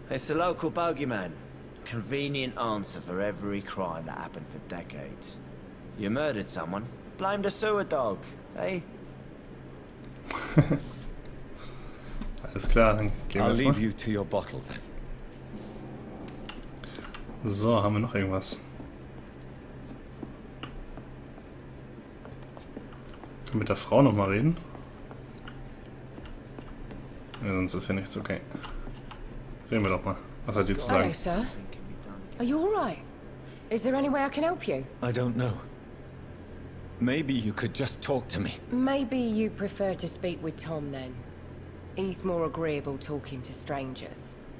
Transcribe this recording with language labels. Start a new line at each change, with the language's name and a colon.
English: It's the local bogeyman. Convenient answer for every crime that happened for decades. You murdered someone, blame the sewer dog, eh?
German: Alles klar, dann gehen
English: I'll leave you to your bottle then.
German: So, haben wir noch irgendwas? Kann mit der Frau noch mal reden? Ja, sonst ist ja nichts okay. Reden wir doch mal. Was hat sie zu sagen?
English: Hello, sir. Are you all right? Is there any way I can help you? I don't know. Maybe you could just talk to me. Maybe you prefer to speak with Tom then. He's more agreeable talking to strangers.